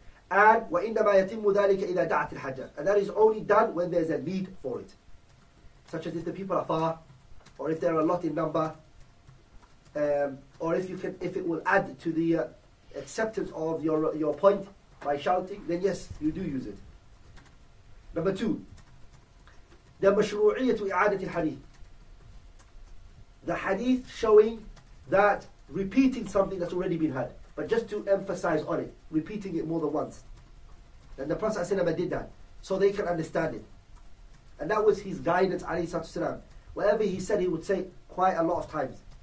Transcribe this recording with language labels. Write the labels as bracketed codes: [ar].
[en] And [ar] وَإِنَّمَا يَتِمُّ ذَلِكَ إِذَا دَعَتِ الْحَجَّةِ [en] and that is only done when there's a need for it. Such as if the people are far, or if there are a lot in number, or if you can, if it will add to the acceptance of your point by shouting, then yes, you do use it. Number two, the [ar] مشروعية إعادة الحديث. [en] The hadith showing that repeating something that's already been heard, but just to emphasize on it, repeating it more than once. And the Prophet ﷺ did that, so they can understand it. And that was his guidance, ﷺ. Whatever he said, he would say quite a lot of times.